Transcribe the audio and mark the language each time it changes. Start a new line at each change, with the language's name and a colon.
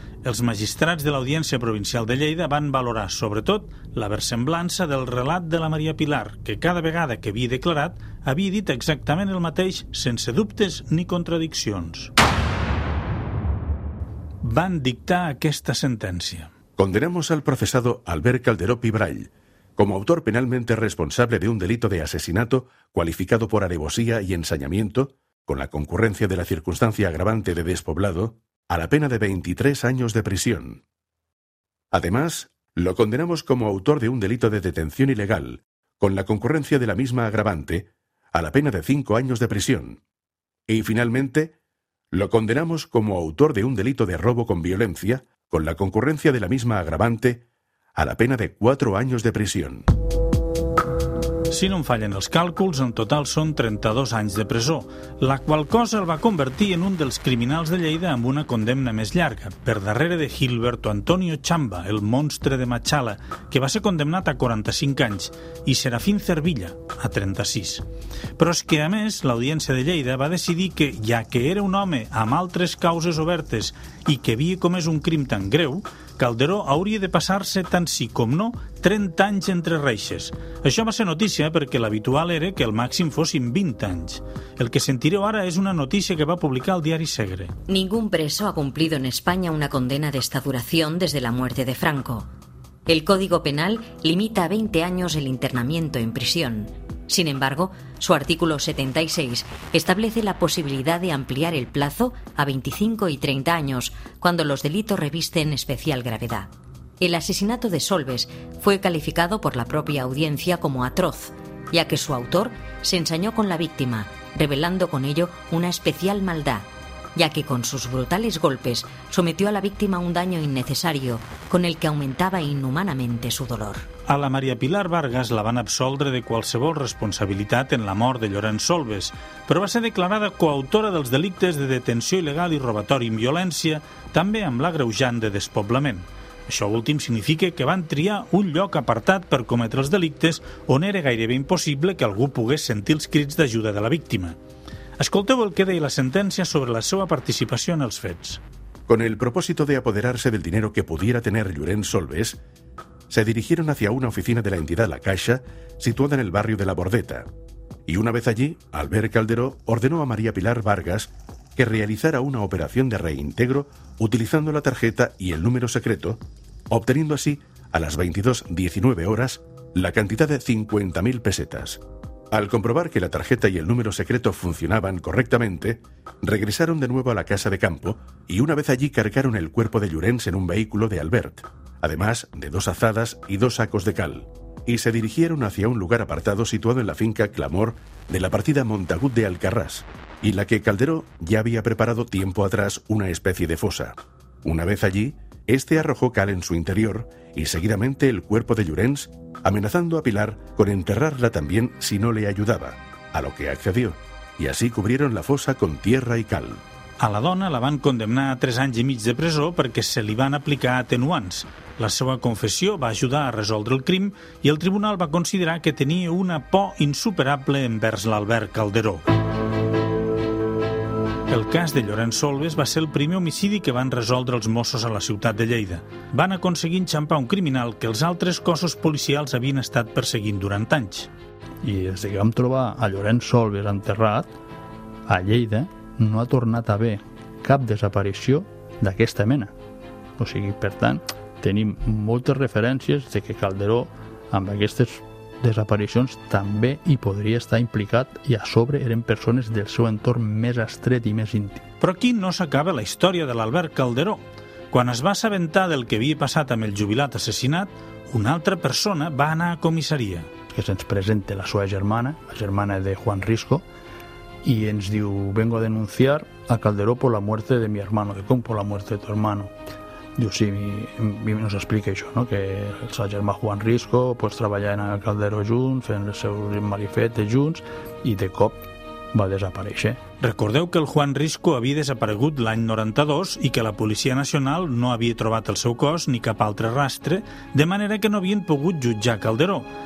Catalan: Els magistrats de l'Audiència Provincial de Lleida van valorar, sobretot, la versemblança del relat de la Maria Pilar, que cada vegada que havia declarat havia dit exactament el mateix, sense dubtes ni contradiccions. Van dictar aquesta sentència.
Spanish: Condenamos al procesado Albert Calderó Pibrall como autor penalmente responsable de un delito de asesinato cualificado por alevosía y ensañamiento, con la concurrencia de la circunstancia agravante de despoblado, a la pena de 23 años de prisión. Además, lo condenamos como autor de un delito de detención ilegal, con la concurrencia de la misma agravante, a la pena de 5 años de prisión. Y finalmente, lo condenamos como autor de un delito de robo con violencia, con la concurrencia de la misma agravante, a la pena de 4 años de prisión.
Catalan: Si no em fallen els càlculs, en total són 32 anys de presó, la qual cosa el va convertir en un dels criminals de Lleida amb una condemna més llarga, per darrere de Gilberto Antonio Chamba, el monstre de Machala, que va ser condemnat a 45 anys, i Serafín Cervilla, a 36. Però és que, a més, l'Audiència de Lleida va decidir que, ja que era un home amb altres causes obertes i que havia comès un crim tan greu, Calderó hauria de passar-se, tant sí com no, 30 anys entre reixes. Això va ser notícia perquè l'habitual era que el màxim fossin 20 anys. El que sentireu ara és una notícia que va publicar el diari Segre.
Spanish: Ningún preso ha cumplido en España una condena de esta duración desde la muerte de Franco. El Código Penal limita a 20 años el internamiento en prisión. Sin embargo, su artículo 76 establece la posibilidad de ampliar el plazo a 25 y 30 años cuando los delitos revisten especial gravedad. El asesinato de Solves fue calificado por la propia audiencia como atroz, ya que su autor se ensañó con la víctima, revelando con ello una especial maldad, ya que con sus brutales golpes sometió a la víctima a un daño innecesario con el que aumentaba inhumanamente su dolor.
Catalan: A la Maria Pilar Vargas la van absoldre de qualsevol responsabilitat en la mort de Llorenç Solves, però va ser declarada coautora dels delictes de detenció il·legal i robatori amb violència, també amb l'agreujant de despoblament. Això últim significa que van triar un lloc apartat per cometre els delictes on era gairebé impossible que algú pogués sentir els crits d'ajuda de la víctima. Escolteu el que deia la sentència sobre la seva participació en els fets.
Spanish: Con el propósito de apoderarse del dinero que pudiera tener Llorenç Solves, se dirigieron hacia una oficina de la entidad La Caixa, situada en el barrio de La Bordeta. Y una vez allí, Albert Calderó ordenó a María Pilar Vargas que realizara una operación de reintegro utilizando la tarjeta y el número secreto, obteniendo así, a las 22:19 horas, la cantidad de 50.000 pesetas. Al comprobar que la tarjeta y el número secreto funcionaban correctamente, regresaron de nuevo a la casa de campo y una vez allí cargaron el cuerpo de Llorenç en un vehículo de Albert, además de 2 azadas y 2 sacos de cal, y se dirigieron hacia un lugar apartado situado en la finca Clamor de la partida Montagut de Alcarràs, y la que Calderó ya había preparado tiempo atrás una especie de fosa. Una vez allí, este arrojó cal en su interior y seguidamente el cuerpo de Llorenç, amenazando a Pilar con enterrarla también si no le ayudaba, a lo que accedió, y así cubrieron la fosa con tierra y cal.
Catalan: A la dona la van condemnar a 3 anys i mig de presó perquè se li van aplicar atenuants. La seva confessió va ajudar a resoldre el crim i el tribunal va considerar que tenia una por insuperable envers l'Albert Calderó. El cas de Llorenç Solves va ser el primer homicidi que van resoldre els Mossos a la ciutat de Lleida. Van aconseguir enxampar un criminal que els altres cossos policials havien estat perseguint durant anys. I des que vam trobar a Llorenç Solves enterrat, a Lleida no ha tornat a haver cap desaparició d'aquesta mena. O sigui, per tant, tenim moltes referències de que Calderó, amb aquestes desaparicions, també hi podria estar implicat, i a sobre eren persones del seu entorn més estret i més íntim. Però aquí no s'acaba la història de l'Albert Calderó. Quan es va assabentar del que havia passat amb el jubilat assassinat, una altra persona va anar a comissaria. Que se'ns presenta la seva germana, la germana de Juan Risco, i ens diu:
Spanish: vengo a denunciar a Calderó por la muerte de mi hermano.
Catalan: De com,
Spanish: por la muerte de tu hermano?
Catalan: Diu, sí, mi nos explica això, no? Que el seu germà Juan Risco pues, treballant a Calderó junts, fent els seus marifetes junts, i de cop va desaparèixer. Recordeu que el Juan Risco havia desaparegut l'any 92 i que la Policia Nacional no havia trobat el seu cos ni cap altre rastre, de manera que no havien pogut jutjar Calderó.